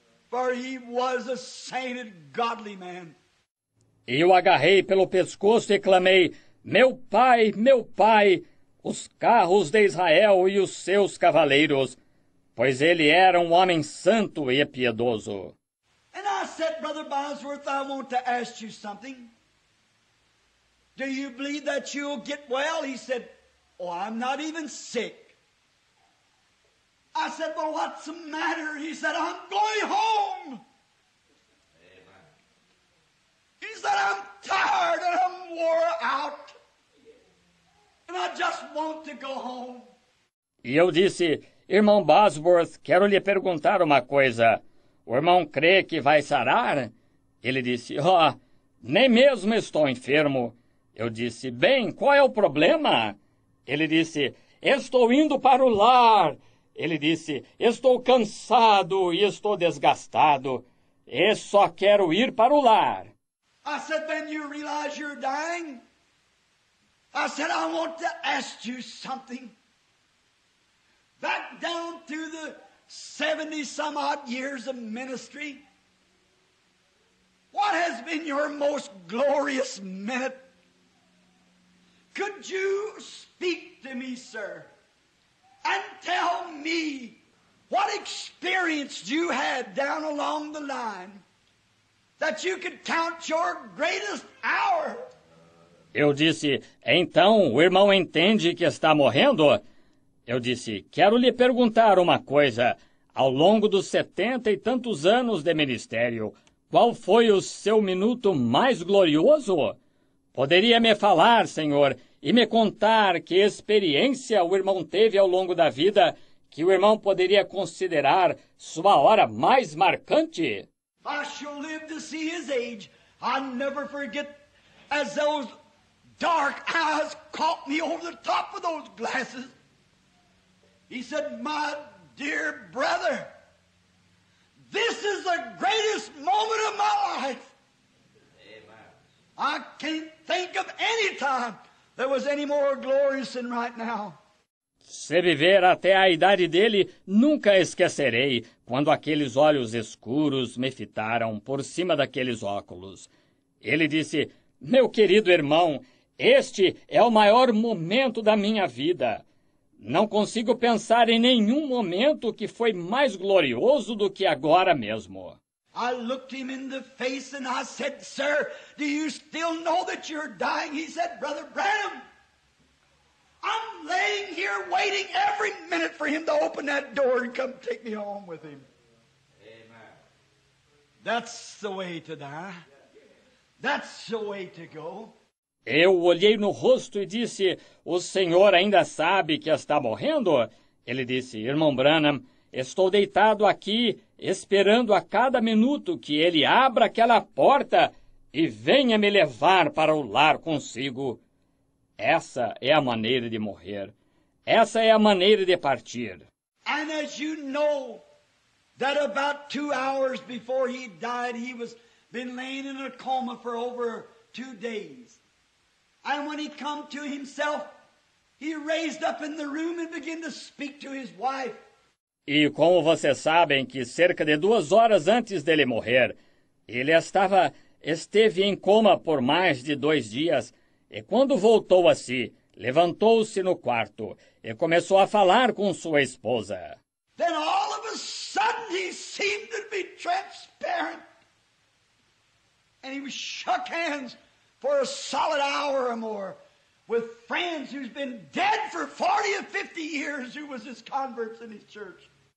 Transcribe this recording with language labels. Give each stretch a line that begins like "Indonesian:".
English: For he was a sainted godly man.
Portuguese: E o agarrei pelo pescoço e clamei, meu pai, os carros de Israel e os seus cavaleiros, pois ele era um homem santo e piedoso.
English: And I said, Brother Bosworth, I want to ask you something. Do you believe that you'll get well? He said, oh, I'm not even sick. I said, well, what's the matter? He said, I'm going home. Amen. He said, I'm tired and I'm wore out. And I just want to go home.
Portuguese: E eu disse, irmão Bosworth, quero lhe perguntar uma coisa. O irmão crê que vai sarar? Ele disse, oh, nem mesmo estou enfermo. Eu disse, bem, qual é o problema? Ele disse, estou indo para o lar. Ele disse: "Estou cansado e estou desgastado e só quero ir para o lar."
English: I said, "Then you realize you're dying?" I said, "I want to ask you something. Back down to the 70 some odd years of ministry, what has been your most glorious minute? Could you speak to me, sir, and tell me what experience you had down along the line that you could count your greatest hour?"
Portuguese: Eu disse: "Então, o irmão entende que está morrendo?" Eu disse: "Quero lhe perguntar uma coisa. Ao longo dos 70 e tantos anos de ministério, qual foi o seu minuto mais glorioso? Poderia me falar, senhor, e me contar que experiência o irmão teve ao longo da vida que o irmão poderia considerar sua hora mais marcante?"
English: I shall live to see his age. I'll never forget as those dark eyes caught me over the top of those glasses. He said, "My dear brother, this is the greatest moment of my life. I can't think of any time that was any more glorious than right now."
Portuguese: Se viver até a idade dele, nunca esquecerei quando aqueles olhos escuros me fitaram por cima daqueles óculos. Ele disse: "Meu querido irmão, este é o maior momento da minha vida. Não consigo pensar em nenhum momento que foi mais glorioso do que agora mesmo."
English: I looked him in the face and I said, "Sir, do you still know that you're dying?" He said, "Brother Branham, I'm laying here waiting every minute for him to open that door and come take me home with him." Amen. That's the way to die. That's the way to go.
Portuguese: Eu olhei no rosto e disse: "O senhor ainda sabe que está morrendo?" Ele disse: "Irmão Branham, estou deitado aqui esperando a cada minuto que ele abra aquela porta e venha me levar para o lar consigo. Essa é a maneira de morrer. Essa é a maneira de partir."
English: And as you know, that about 2 hours before he died, he was been laying in a coma for over 2 days. And when he come to himself, he raised up in the room and began to speak to his wife.
Portuguese: E como vocês sabem que cerca de 2 horas antes dele morrer, ele esteve em coma por mais de 2 dias. E quando voltou a si, levantou-se no quarto e começou a falar com sua esposa.
English: Then all of a sudden he seemed to be transparent. And he shook hands for a solid hour or more with friends who's been dead for 40 or 50 years who was his converts in his church.